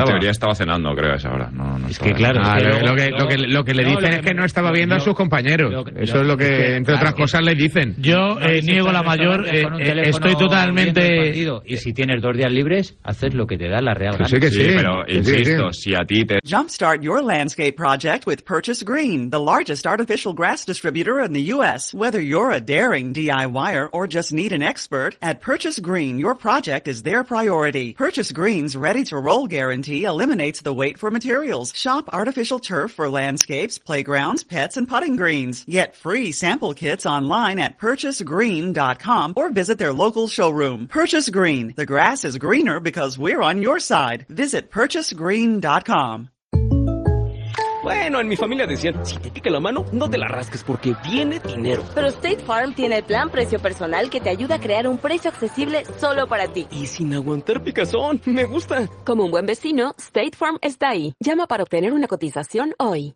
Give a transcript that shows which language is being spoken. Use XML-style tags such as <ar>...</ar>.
<es>En teoría estaba cenando, creo, a esa hora. No es que claro. Lo que no estaba viendo a sus compañeros. Eso es lo que, entre otras cosas, le dicen. Yo niego la mayor. Estoy totalmente... Y si tienes dos días libres, haces lo que te da la Real Gana. Pero insisto, si a ti te...</es> <en>Jumpstart your landscape project with Purchase Green, the largest artificial grass distributor in the U.S. Whether you're a daring DIYer or just need an expert, at Purchase Green, your project is their priority. Purchase Green's ready-to-roll guarantee eliminates the wait for materials. Shop artificial turf for landscapes, playgrounds, pets, and putting greens. Get free sample kits online at purchasegreen.com or visit their local showroom. Purchase Green. The grass is greener because we're on your side. Visit purchasegreen.com.</en> <es>Bueno, en mi familia decían, si te pica la mano, no te la rasques porque viene dinero. Pero State Farm tiene el plan precio personal que te ayuda a crear un precio accesible solo para ti. Y sin aguantar picazón, me gusta. Como un buen vecino, State Farm está ahí. Llama para obtener una cotización hoy.</es>